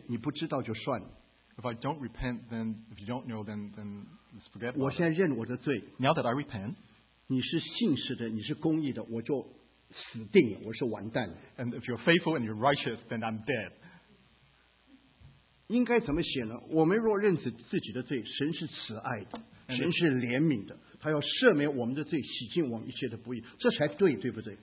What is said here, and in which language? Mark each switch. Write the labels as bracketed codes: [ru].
[en] if I don't repent, then if you don't know, then let's forget about it. Now that I repent, [zh] 你是信实的, 你是公义的, 我就 死定了, [en] and if you're faithful and you're righteous, then I'm dead. [zh] 应该怎么写呢? 我们若认识自己的罪, 神是慈爱的, 神是怜悯的, 祂要赦免我们的罪, 洗净我们一切的不义, 这才对, 对不对?